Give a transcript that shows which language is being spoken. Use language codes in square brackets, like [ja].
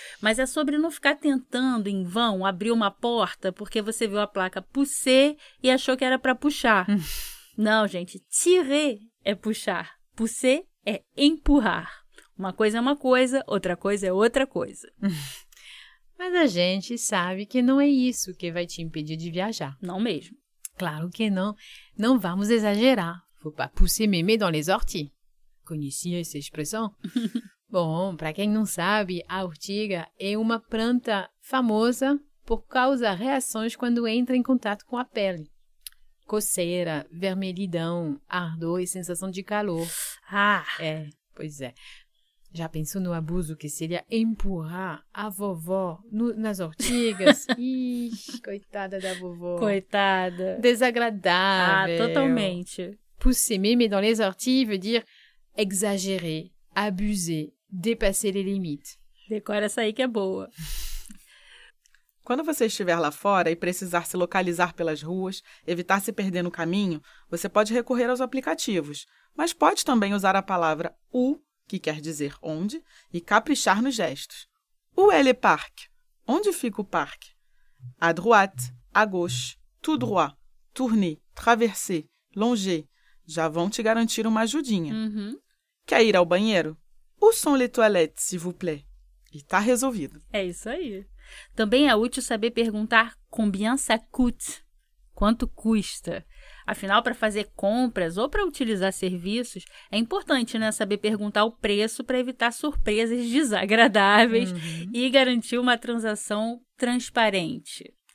[pt] Mas é sobre não ficar tentando em vão abrir uma porta porque você viu a placa pousser e achou que era para puxar. Não, gente, tirer é puxar. Pousser é empurrar. Uma coisa é uma coisa, outra coisa é outra coisa. Mas a gente sabe que não é isso que vai te impedir de viajar. Não mesmo. Claro que não. Não vamos exagerar. [fr] Faut pas pousser mémé dans les orties. [pt] Conhecia essa expressão? Bom, para quem não sabe, a ortiga é uma planta famosa por causar reações quando entra em contato com a pele. Coceira, vermelhidão, ardor e sensação de calor. Ah! É, pois é. Já pensou no abuso que seria empurrar a vovó nas ortigas? Ixi, coitada da vovó. Coitada. Desagradável. Ah, totalmente. [fr] Pousser mémé dans les orties veut dire exagérer, abuser, dépasser les limites. [pt] Décore essa aí que é boa. Quando você estiver lá fora e precisar se localizar pelas ruas, evitar se perder no caminho, você pode recorrer aos aplicativos, mas pode também usar a palavra où, que quer dizer onde, e caprichar nos gestos. [fr] Où est le parc? [pt] Onde fica o parque? [fr] À droite, à gauche, tout droit, tourner, traverser, longer. [pt] Já vão te garantir uma ajudinha. Uhum. Quer ir ao banheiro? [fr] Où sont les toilettes, s'il vous plaît? [pt] E tá resolvido. É isso aí. Também é útil saber perguntar [fr] combien ça coûte, [pt] quanto custa. Afinal, para fazer compras ou para utilizar serviços, é importante, né, saber perguntar o preço para evitar surpresas desagradáveis e garantir uma transação transparente.